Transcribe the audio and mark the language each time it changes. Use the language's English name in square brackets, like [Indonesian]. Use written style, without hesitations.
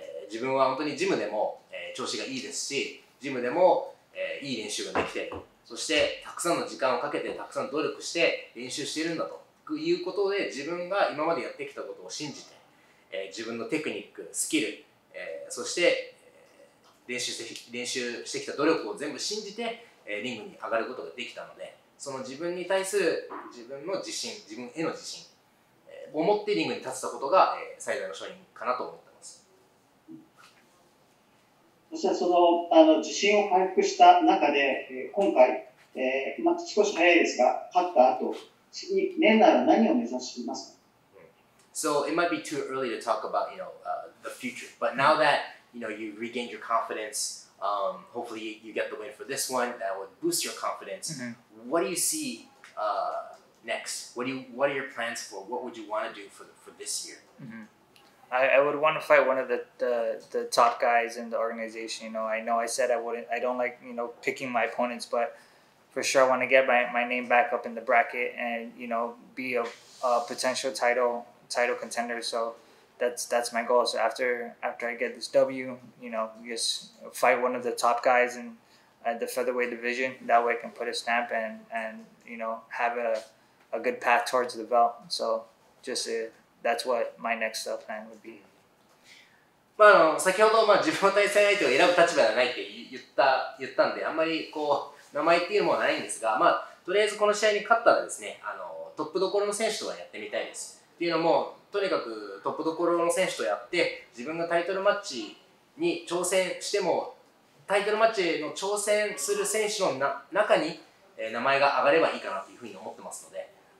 [Japanese] 自分は本当にジムでも、調子がいいですしジムでも、いい練習ができて、そしてたくさんの時間をかけてたくさん努力して練習しているんだということで自分が今までやってきたことを信じて、自分のテクニック、スキル、そして、練習してきた努力を全部信じて、リングに上がることができたので、その自分に対する自分の自信、自分への自信を持ってリングに立つたことが、最大の勝因かなと思ってます。そしたらあの自信を回復した中で、今回、少し早いですが、勝った後、年内は何を目指していますか？ [English] So it might be too early to talk about, the future. But now that, you've regained your confidence, hopefully you get the win for this one, that would boost your confidence. Mm-hmm. What do you see next? What are your plans for? What would you want to do for this year? Mm-hmm. I would want to fight one of the top guys in the organization. I know I said I don't like, picking my opponents, but for sure I want to get my name back up in the bracket and, be a potential title contender. So that's my goal. So after I get this W, just fight one of the top guys in the featherweight division. That way I can put a stamp and have a good path towards the belt. So just aThat's what my next plan would be. [Japanese] 先ほど、自分の対戦相手を選ぶ立場ではないって言ったんで、あんまりこう名前っていうのもないんですが、とりあえずこの試合に勝ったらですね、トップどころの選手とはやってみたいです。っていうのも、とにかくトップどころの選手とやって、自分がタイトルマッチに挑戦しても、タイトルマッチへの挑戦する選手の中に、名前が上がればいいかなというふうに思ってますので。